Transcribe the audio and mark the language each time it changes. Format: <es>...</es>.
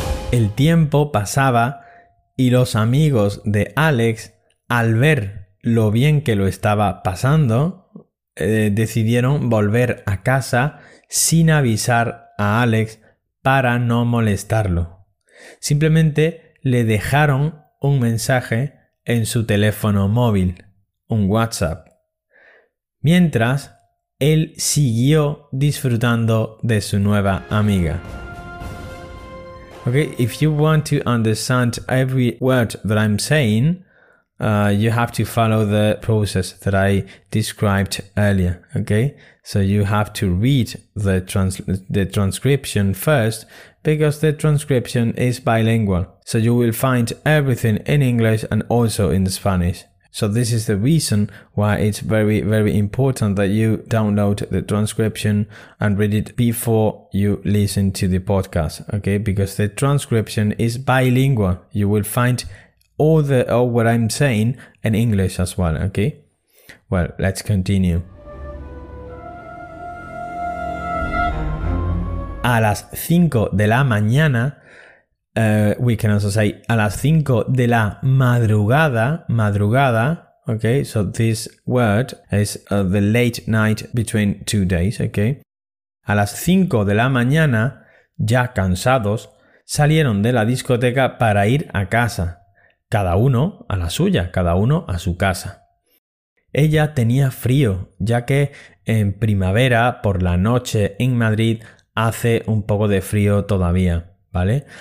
<es>El tiempo pasaba y los amigos de Alex, al ver lo bien que lo estaba pasando, decidieron volver a casa sin avisar a Alex para no molestarlo. Simplemente le dejaron un mensaje en su teléfono móvil, un WhatsApp, mientras él siguió disfrutando de su nueva amiga.</es> <en>Okay, if you want to understand every word that I'm saying, you have to follow the process that I described earlier, okay? So you have to read the transcription first, because the transcription is bilingual. So you will find everything in English and also in Spanish. So this is the reason why it's very, very important that you download the transcription and read it before you listen to the podcast, okay? Because the transcription is bilingual. You will find all what I'm saying in English as well, okay? Well, let's continue.</en> <es>A las 5 de la mañana,</es> <en>we can also say</en> <es>a las 5 de la madrugada, okay?</es> <en>So this word is the late night between 2 days, okay?</en> <es>A las 5 de la mañana, ya cansados, salieron de la discoteca para ir a casa. Cada uno a la suya, cada uno a su casa. Ella tenía frío, ya que en primavera, por la noche en Madrid, hace un poco de frío todavía, ¿vale?</es>